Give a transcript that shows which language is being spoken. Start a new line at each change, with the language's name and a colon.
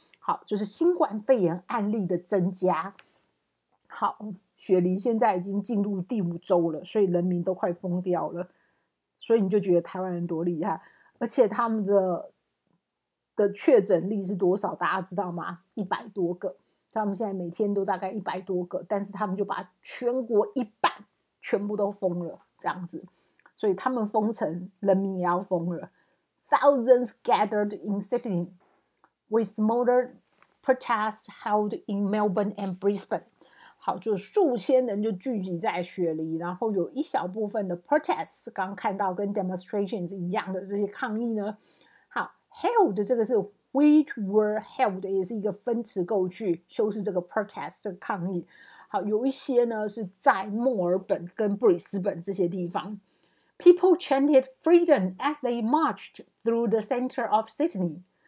Chinese: 好，就是新冠肺炎案例的增加。好，雪梨现在已经进入第五周了，所以人民都快疯掉了，所以你就觉得台湾人多厉害，而且他们的的确诊率是多少，大家知道吗？100多个，他们现在每天都大概100多个，但是他们就把全国一半全部都封了这样子，所以他们封城，人民也要封了。
English: Thousands gathered in Sydney with smaller protests held in Melbourne and Brisbane。
Chinese: 好，就数千人就聚集在雪梨，然后有一小部分的 protests， 刚看到跟 demonstrations 一样的这些抗议呢。好， held 这个是 which were held， 也是一个分词构句，修饰这个 protest 的抗议。好，有一些呢是在墨尔本跟布里斯本这些地方。
English: People chanted freedom as they marched through the center of Sydney.